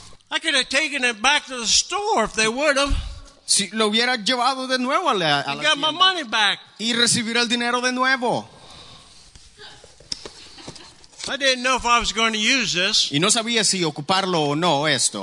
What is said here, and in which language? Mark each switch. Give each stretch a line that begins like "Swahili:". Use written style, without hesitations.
English: I could have taken it back to the store if they would have.
Spanish: Si lo hubiera llevado de nuevo a la tienda.
English: And got my money back.
Spanish: Y recibir el dinero de nuevo.
English: I didn't know if I was going to use this.
Spanish: Y no sabía si ocuparlo o no esto.